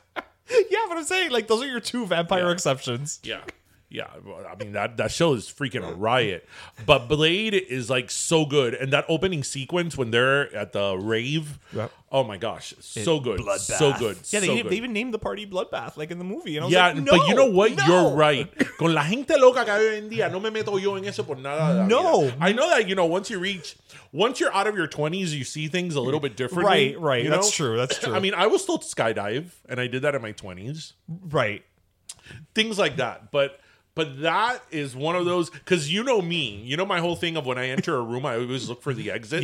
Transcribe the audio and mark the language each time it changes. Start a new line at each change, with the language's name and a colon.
English: Yeah, but I'm saying, like, those are your two vampire exceptions. Yeah. Yeah, I mean, that show is freaking a riot. But Blade is, like, so good. And that opening sequence when they're at the rave, oh, my gosh, so good. Bloodbath. So good. Yeah, they even named the party Bloodbath, like, in the movie. And I was like, no. But you know what? No. You're right.
Spanish: Con la gente loca que hay hoy en día, no me meto yo en eso por nada.
English: No. I know that, you know, once you're out of your 20s, you see things a little bit differently. Right, right. That's true. That's true. I mean, I was still skydive, and I did that in my 20s. Right. Things like that. But that is one of those, because you know me. You know my whole thing of when I enter a room, I always look for the exits.